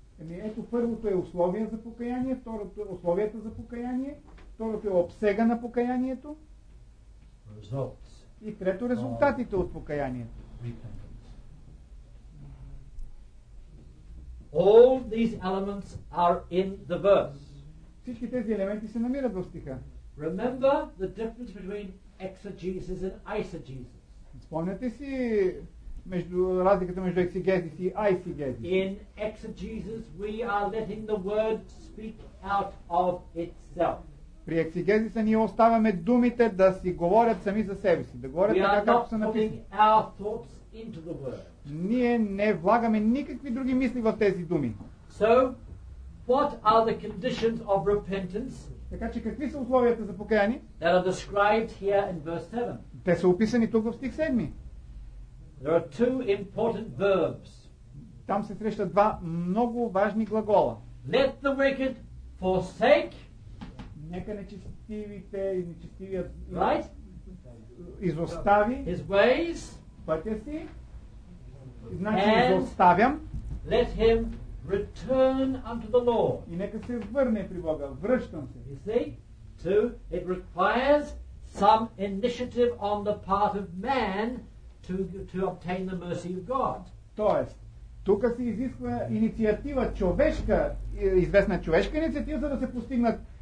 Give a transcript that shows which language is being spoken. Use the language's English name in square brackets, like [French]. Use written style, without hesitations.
[Bulgarian] Ето първото е условие за покаяние, второто е условията за покаяние, второто е обсега на покаянието. [English] Results. [Bulgarian] И трето резултатите от покаянието. [English] All these elements are in the verse. [Bulgarian] Всички тези елементи се намират в стиха. [English] Remember the difference between exegesis and eisegesis. [Bulgarian] Спомняте си между разликата между exegesis и eisegesis. [English] In exegesis we are letting the word speak out of itself. [Bulgarian] При exegesis ние оставяме думите да си говорят сами за себе си, да говорят така както са написани. [English] We are not putting our thoughts into the word. [Bulgarian] Ние не влагаме никакви други мисли в тези думи. [English] So, what are the conditions of repentance? [Bulgarian] Така че какви са условията за покаяние? [English] That are described here in verse 7. [Bulgarian] Те са описани тук в стих 7. [English] There are two important verbs. [Bulgarian] Там се срещат два много важни глагола. [English] Let the wicked forsake. [Bulgarian] Нека нечестивите и нечестивият [English] right? [Bulgarian] Изостави [English] his ways. [Bulgarian] Пътя си. Значи изоставям. [English] Let him return unto the Lord. [Bulgarian] И нека се върне при Бога. Връщам се. [English] You see? Two, it requires some initiative on the part of man to obtain the mercy of God. [Bulgarian] Тоест, тук се изисква инициатива човешка, известна човешка инициатива, за да се постигнат